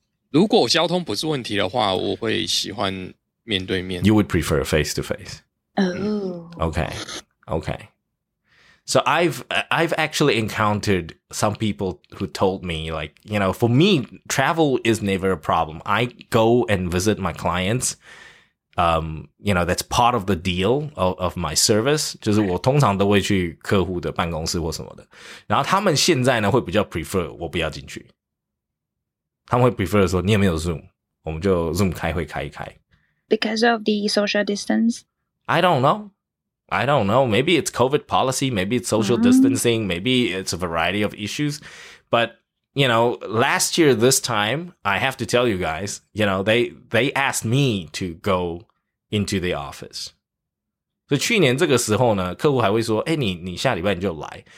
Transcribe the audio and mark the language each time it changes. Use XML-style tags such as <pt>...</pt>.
<zh>如果交通不是问题的话，我会喜欢面对面。</zh> <en>You would prefer face-to-face. Oh. Okay, okay. So I've actually encountered some people who told me, like, you know, for me, travel is never a problem. I go and visit my clients. You know, that's part of the deal of my service.</en> <zh>就是我通常都会去客户的办公室或什么的。然后他们现在呢会比较 prefer 我不要进去。他们会 prefer 说你有没有 Zoom? 我们就 Zoom 开会开一开。</zh> <en>Because of the social distance? I don't know. Maybe it's COVID policy. Maybe it's social distancing. Maybe it's a variety of issues. But, you know, last year, this time, I have to tell you guys, you know, they asked me to go into the office.</en> <zh>So, 去年这个时候呢，客户还会说，欸，你下礼拜你就来。</zh>